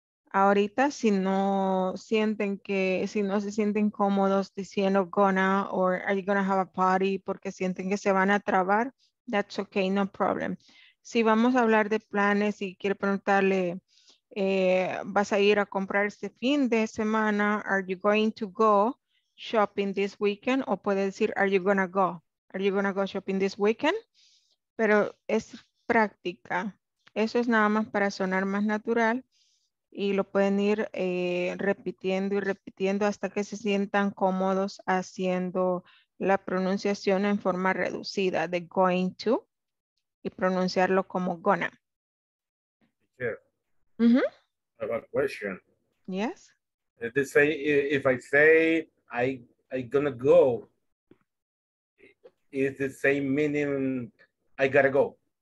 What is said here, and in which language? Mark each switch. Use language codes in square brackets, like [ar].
[es] Ahorita, si no se sienten cómodos diciendo [en] gonna or are you gonna have a party [es] porque sienten que se van a trabar, [en] that's okay, no problem. [es] Si vamos a hablar de planes y quiere preguntarle, ¿Vas a ir a comprar este fin de semana? [en] Are you going to go shopping this weekend? [es] O puede decir, [en] are you gonna go? Are you gonna go shopping this weekend? [es] Pero es práctica. Eso es nada más para sonar más natural. Y lo pueden ir repitiendo y repitiendo hasta que se sientan cómodos haciendo la pronunciación en forma reducida de going to y pronunciarlo como gonna. [en] I have a question. Yes. If they say, if I say I gonna go, is the same meaning I gotta go?